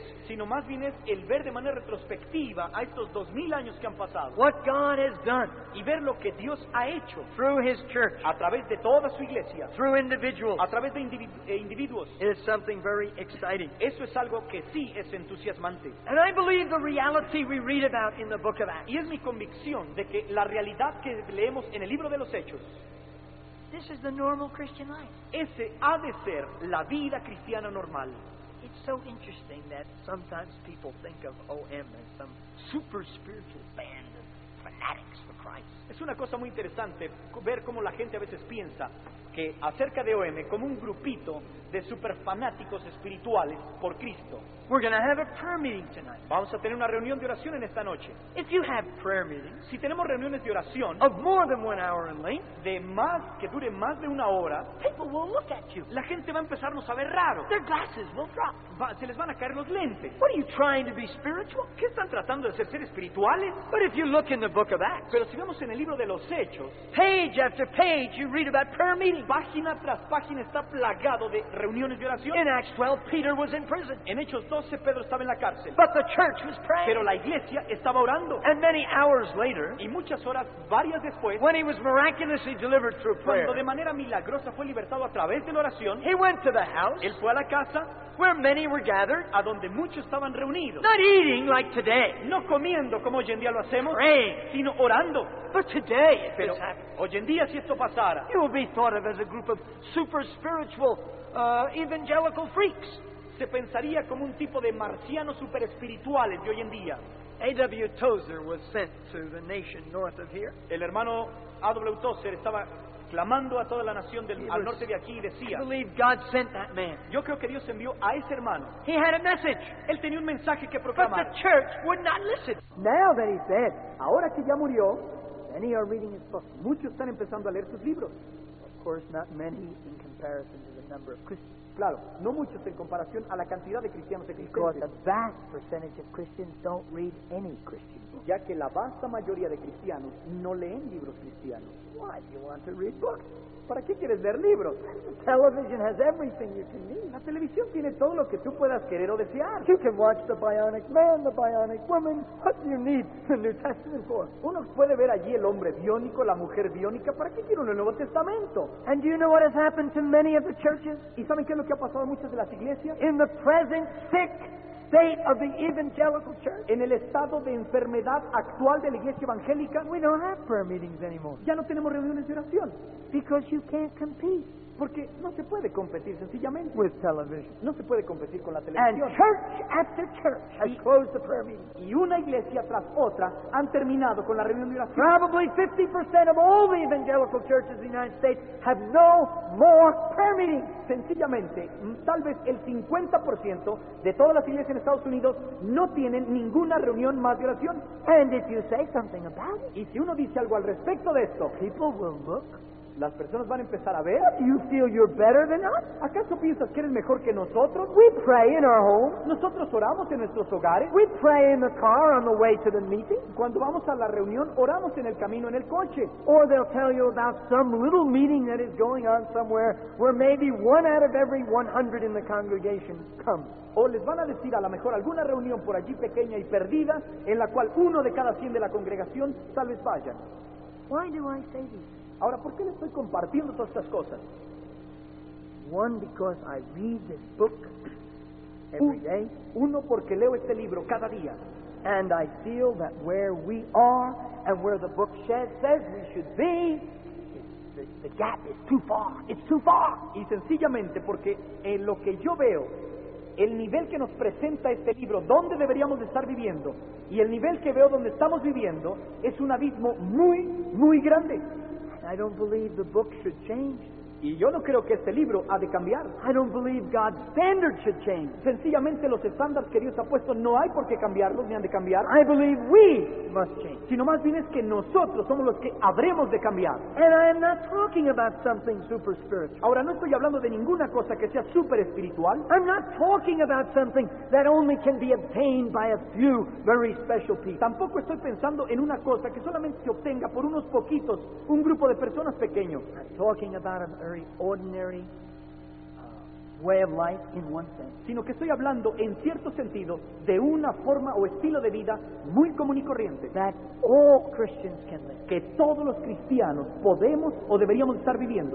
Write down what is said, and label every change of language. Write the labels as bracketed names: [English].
[Spanish] sino más bien es el ver de manera retrospectiva a estos 2,000 años que han pasado. [English] What God has done, [Spanish] y ver lo que Dios ha hecho [English] through His church, [Spanish] a través de toda su iglesia, [English] through individuals, [Spanish] a través de individuos, [English] is something very exciting. [Spanish] Eso es algo que sí es entusiasmante. [English] And I believe the reality we read about in the book of Acts. [Spanish] Y es mi convicción de que la realidad que leemos en el libro de los Hechos. [English] This is the normal Christian life. [Spanish] Ese ha de ser la vida cristiana normal. [English] It's so interesting that sometimes people think of OM as some super spiritual band of fanatics for Christ. [Spanish] Es una cosa muy interesante ver cómo la gente a veces piensa que acerca de OM como un grupito de super fanáticos espirituales por Cristo. [English] We're going to have a prayer meeting tonight. [Spanish] Vamos a tener una reunión de oración en esta noche. [English] If you have prayer meetings, [Spanish] si tenemos reuniones de oración [English] of more than 1 hour in length, [Spanish] de más que dure más de una hora, [English] people will look at you. [Spanish] La gente va a empezarnos a ver raro. [English] Their glasses will drop. [Spanish] Se les van a caer los lentes. [English] What are you trying to be spiritual? [Spanish] ¿Qué están tratando de ser espirituales? [English] But if you look in the book of Acts, [Spanish] pero si vemos en el libro de los Hechos, [English] page after page you read about prayer meetings. [Spanish] Página tras página está plagado de reuniones de oración. [English] In Acts 12, Peter was in prison. [Spanish] En Hechos 12, Pedro estaba en la cárcel. [English] But the church was praying. [Spanish] Pero la iglesia estaba orando. [English] And many hours later, [Spanish] y muchas horas, varias después, [English] when he was miraculously delivered through prayer, [Spanish] cuando de manera milagrosa fue libertado a través de la oración, [English] he went to the house, [Spanish] él fue a la casa, [English] where many were gathered, [Spanish] a donde muchos estaban reunidos, [English] not eating like today, [Spanish] no comiendo como hoy en día lo hacemos, [English] praying, [Spanish] sino orando. [English] But today, [Spanish] pero hoy en día, si esto pasara, [English] you will be thought of as a group of super spiritual evangelical freaks. [Spanish] Se pensaría como un tipo de marcianos super espirituales de hoy en día. [English] A.W. Tozer was sent to the nation north of here. [Spanish] El hermano A.W. Tozer estaba clamando a toda la nación del, al norte de aquí y decía, [English] I believe God sent that man. [Spanish] Yo creo que Dios envió a ese hermano. [English] He had a message. [Spanish] Él tenía un mensaje que proclamar. [English] But the church would not listen. Now that he's dead, [Spanish] ahora que ya murió, [English] many are reading his books. [Spanish] Muchos están empezando a leer sus libros. [English] Of course, not many in comparison to the number of Christians. [Spanish] Claro, no muchos en comparación a la cantidad de cristianos existentes. [English] Because a vast percentage of Christians don't read any Christian books. [Spanish] Ya que la vasta mayoría de cristianos no leen libros cristianos. [English] Why do you want to read books? [Spanish] ¿Para qué quieres leer libros? [English] Television has everything you can need. [Spanish] La televisión tiene todo lo que tú puedas querer o desear. [English] You can watch the Bionic Man, the Bionic Woman. What do you need the New Testament for? [Spanish] Uno puede ver allí el hombre biónico, la mujer biónica. ¿Para qué quiere uno el Nuevo Testamento? [English] And do you know what has happened to many of the churches? [Spanish] ¿Y saben qué es lo que ha pasado a muchas de las iglesias? [English] In the present sick state of the evangelical church. [Spanish] En el estado de enfermedad actual de la iglesia evangélica, [English] we don't have prayer meetings anymore. [Spanish] Ya no tenemos reuniones de oración. [English] Because you can't compete. [Spanish] Porque no se puede competir sencillamente [English] with television. [Spanish] No se puede competir con la televisión. [English] And church after church has closed the prayer meeting. [Spanish] Y una iglesia tras otra han terminado con la reunión de oración. [English] Probably 50% of all the evangelical churches in the United States have no more prayer meetings. [Spanish] Sencillamente, tal vez el 50% de todas las iglesias en Estados Unidos no tienen ninguna reunión más de oración. [English] And if you say something about it, [Spanish] y si uno dice algo al respecto de esto, [English] people will look. [Spanish] Las personas van a empezar a ver. [English] You feel you're better than us? [Spanish] ¿Acaso piensas que eres mejor que nosotros? [English] We pray in our home. [Spanish] Nosotros oramos en nuestros hogares. [English] We pray in the car on the way to the meeting. [Spanish] Cuando vamos a la reunión, oramos en el camino en el coche. [English] Or they'll tell you about some little meeting that is going on somewhere where maybe one out of every 100 in the congregation comes. [Spanish] O les van a decir a lo mejor alguna reunión por allí pequeña y perdida en la cual uno de cada 100 de la congregación tal vez vaya. [English] Why do I say this? [Spanish] Ahora, ¿por qué le estoy compartiendo todas estas cosas? [English] One, because I read this book every day. [Spanish] Uno, porque leo este libro cada día. [English] And I feel that where we are and where the book says we should be, the gap is too far. It's too far. [Spanish] Y sencillamente porque en lo que yo veo, el nivel que nos presenta este libro, donde deberíamos estar viviendo, y el nivel que veo donde estamos viviendo, es un abismo muy, muy grande. [English] I don't believe the book should change. [Spanish] Y yo no creo que este libro ha de cambiar. [English] I don't believe God's standard should change. [Spanish] Sencillamente los estándares que Dios ha puesto no hay por qué cambiarlos ni han de cambiar. [English] I believe we must change. [Spanish] Sino más bien es que nosotros somos los que habremos de cambiar. [English] And I am not talking about something super spiritual. [Spanish] Ahora no estoy hablando de ninguna cosa que sea super espiritual. [English] I'm not talking about something that only can be obtained by a few very special people. [Spanish] Tampoco estoy pensando en una cosa que solamente se obtenga por unos poquitos, un grupo de personas pequeños. [English] I'm talking about very ordinary way of life in one sense. [Spanish] Sino que estoy hablando en cierto sentido de una forma o estilo de vida muy común y corriente. [English] That all Christians can live. [Spanish] Que todos los cristianos podemos o deberíamos estar viviendo.